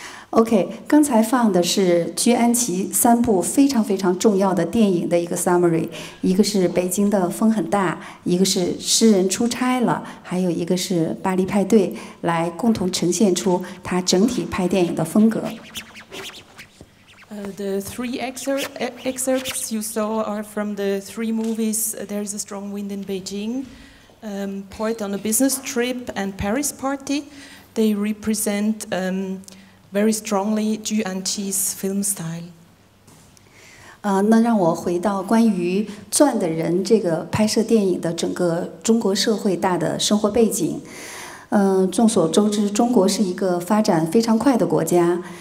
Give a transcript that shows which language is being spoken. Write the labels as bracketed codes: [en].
[zh] Okay, 刚才放的是居安琪三部非常非常重要的电影的一个 summary， 一个是北京的风很大，一个是诗人出差了，还有一个是巴黎派对，来共同呈现出他整体拍电影的风格。 [en] The three excerpts you saw are from the three movies There's a Strong Wind in Beijing, Port on a Business Trip, and Paris Party. They represent very strongly Zhu Anqi's film style. [zh] 那让我回到关于《钻的人》这个拍摄电影的整个中国社会大的生活背景。众所周知，中国是一个发展非常快的国家。